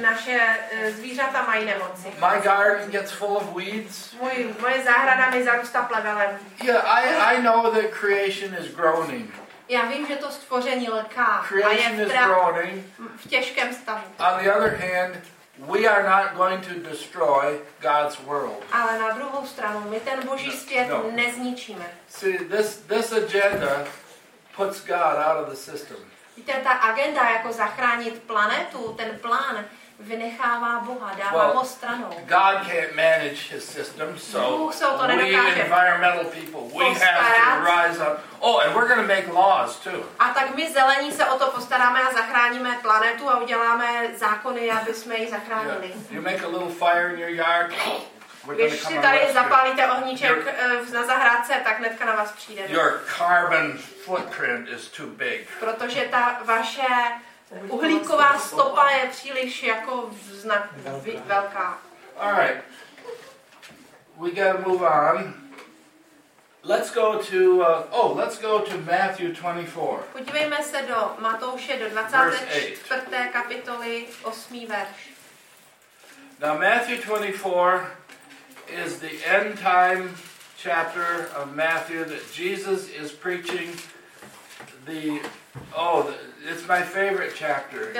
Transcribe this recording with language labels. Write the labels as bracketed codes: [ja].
[cs] Naše zvířata mají nemoci. [en] My garden gets full of weeds. [cs] Moje zahrada mi zarůstá plevelem. [en] Yeah, I know that creation is groaning. [cs] Já vím, že to stvoření lká. [en] Creation is groaning. [cs] V těžkém stavu. [en] On the other hand, we are not going to destroy God's world. [cs] Ale na druhou stranu, my ten Boží svět nezničíme. [en] See, this agenda puts God out of the system. [cs] Víte, ta agenda jako zachránit planetu, ten plán vynechává Boha, dává ho stranou. [en] God can't manage his system, so we environmental people, we have to rise up. Oh, and we're going to make laws too. [cs] A tak my zelení se o to postaráme a zachráníme planetu a uděláme zákony, aby jsme ji zachránili. [en] Yeah. You make a little fire in your yard. [cs] Když si tady zapálíte ohníček na zahrádce, tak hnedka na vás přijde. [en] Your carbon footprint is too big. [cs] Protože ta vaše uhlíková stopa je příliš jako velká. [en] All right. We gotta move on. Let's go to Matthew 24. [cs] Podívejme se do Matouše do 24. kapitoly 8. verš. [en] Now Matthew 24 is the end time chapter of Matthew that Jesus is preaching. It's my favorite chapter.